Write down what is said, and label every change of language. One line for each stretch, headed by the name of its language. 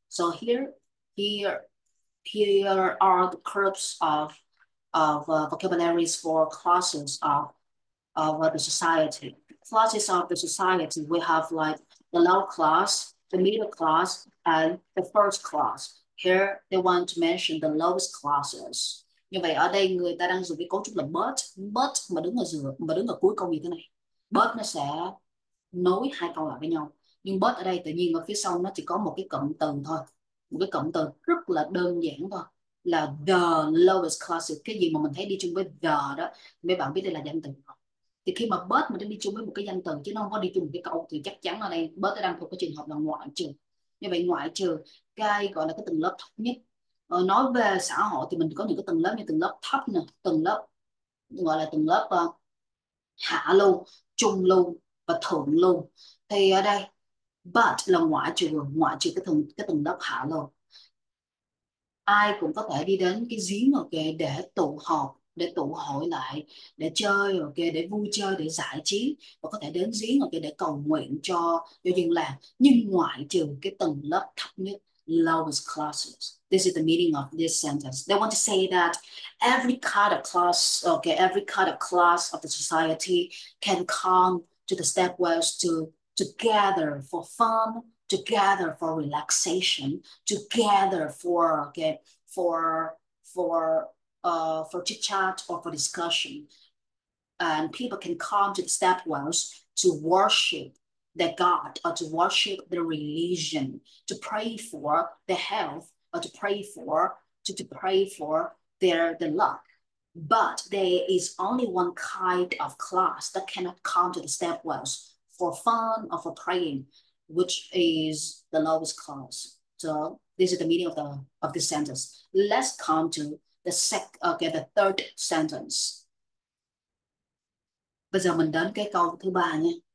English: So here are the groups of vocabularies for classes of the society. Classes of the society, we have like the low class, the middle class, and the first class. Here they want to mention the lowest classes.
Vietnamese: Như vậy ở đây người ta đang dùng cái cấu trúc là but mà đứng ở giữa, mà đứng ở cuối câu như thế này. But nó sẽ nối hai câu lại với nhau, nhưng but ở đây tự nhiên ở phía sau nó chỉ có một cái cụm từ thôi, một cái cụm từ rất là đơn giản thôi, là
English: the lowest class.
Vietnamese: Cái gì mà mình thấy đi chung với the đó, mấy bạn biết đây là danh từ. Thì khi mà but mà đi chung với một cái danh từ chứ nó không có đi chung một cái câu thì chắc chắn ở đây but đang thuộc cái trường hợp là ngoại trừ. Như vậy ngoại trừ cái gọi là cái tầng lớp thấp nhất. Nói về xã hội thì mình có những cái tầng lớp như tầng lớp thấp nè, tầng lớp gọi là tầng lớp hạ lưu, trung lưu và thượng lưu. Thì ở đây but là ngoại trừ cái tầng lớp hạ lưu, ai cũng có thể đi đến cái giếng ok để tụ họp, để tụ hội lại, để chơi ok, để vui chơi, để giải trí, và có thể đến giếng ok để cầu nguyện cho dân làng. Nhưng ngoại trừ cái tầng lớp thấp nhất, lowest classes.
English: This is the meaning of this sentence. They want to say that every kind of class of the society can come to the stepwells to gather for fun, to gather for relaxation, to gather for okay for chit chat or for discussion. And people can come to the stepwells to worship their God, or to worship their religion, to pray for their health, or to pray for their luck. But there is only one kind of class that cannot come to the stepwells for fun or for praying, which is the lowest class. So this is the meaning of the sentence. Let's come to the sec okay, the third sentence.
Vietnamese: Bây giờ mình đến cái câu thứ ba nhé.